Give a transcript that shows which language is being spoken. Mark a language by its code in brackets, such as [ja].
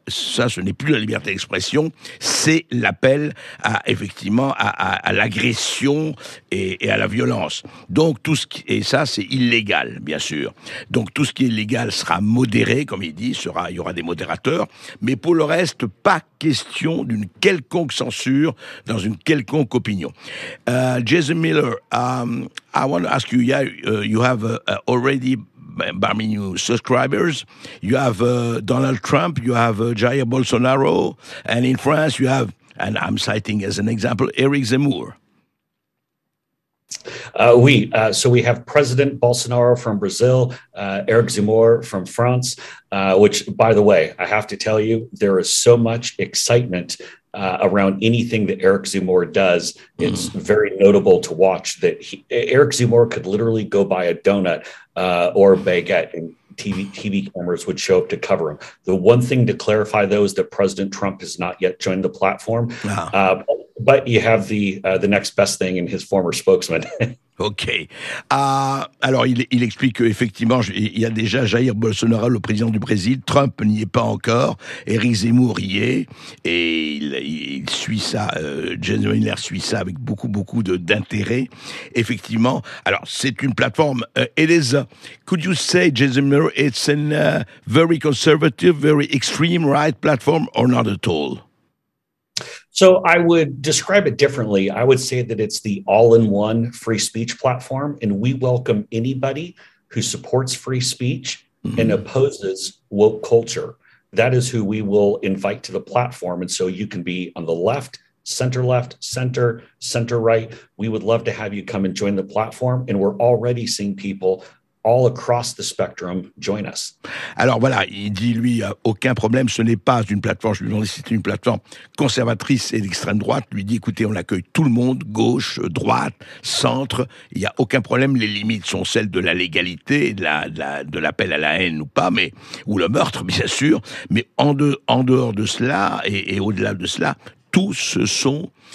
[fr] Ça, ce n'est plus la liberté d'expression, c'est l'appel à, effectivement, à l'agression et à la violence. Donc, tout ce qui, et ça, c'est illégal, bien sûr. Donc, tout ce qui est légal sera modéré, comme il dit, il y aura des modérateurs, mais pour le reste, pas question d'une quelconque censure dans une quelconque opinion. [en] Jason Miller, I want to ask you, yeah, you have already Barmy new subscribers. You have Donald Trump, you have Jair Bolsonaro, and in France you have, and I'm citing as an example, Eric Zemmour. Oui, so we have President Bolsonaro from Brazil, Eric Zemmour from France, which, by the way, I have to tell you, there is so much excitement around anything that Eric Zemmour does. It's very notable to watch that Eric Zemmour could literally go buy a donut or a baguette and TV cameras would show up to cover him. The one thing to clarify, though, is that President Trump has not yet joined the platform. Wow. But you have the next best thing in his former spokesman. OK. [fr] Alors, il explique qu'effectivement, il y a déjà Jair Bolsonaro, le président du Brésil. Trump n'y est pas encore. Éric Zemmour y est. Et il suit ça. Jason Miller suit ça avec beaucoup, beaucoup d'intérêt. Effectivement. Alors, c'est une plateforme. [en] Could you say, Jason Miller, it's a very conservative, very extreme right platform or not at all? So I would describe it differently. I would say that it's the all-in-one free speech platform, and we welcome anybody who supports free speech and opposes woke culture. That is who we will invite to the platform. And so you can be on the left, center right. We would love to have you come and join the platform. And we're already seeing people all across the spectrum join us. [fr] Alors voilà, il dit lui, aucun problème, ce n'est pas une plateforme, je lui demande si c'est une plateforme conservatrice et d'extrême droite, lui dit écoutez, on accueille tout le monde, gauche, droite, centre, il n'y a aucun problème, les limites sont celles de la légalité, de l'appel à la haine ou pas, mais, ou le meurtre bien sûr, mais en dehors de cela et au-delà de cela, tous sont